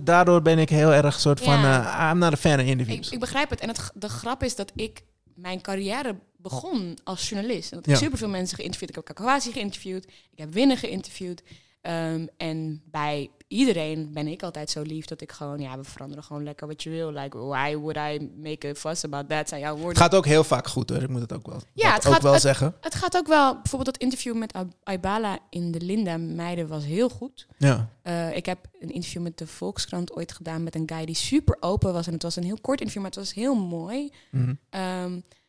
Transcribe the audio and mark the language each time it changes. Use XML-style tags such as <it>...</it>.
<nl>Daardoor ben ik heel erg soort van...</nl> <en>I'm not a fan of interviews.</en> <nl>Ik begrijp het. En de grap is dat ik mijn carrière... begon als journalist. En dat ik superveel mensen geïnterviewd. Ik heb Kakawasi geïnterviewd. Ik heb Winnen geïnterviewd. En bij iedereen ben ik altijd zo lief dat ik gewoon... Ja, we veranderen gewoon lekker wat je wil.</nl> <en>Like, why would I make a fuss about that?</en> <nl>Zijn jouw woorden. Het gaat ook heel vaak goed, hoor. Ik moet het ook wel, ja, het ook gaat, wel het, zeggen. Het gaat ook wel... Bijvoorbeeld dat interview met Aybala in de Linda Meiden was heel goed. Ja. Ik heb een interview met de Volkskrant ooit gedaan... met een guy die super open was. En het was een heel kort interview, maar het was heel mooi. Mm-hmm.</nl>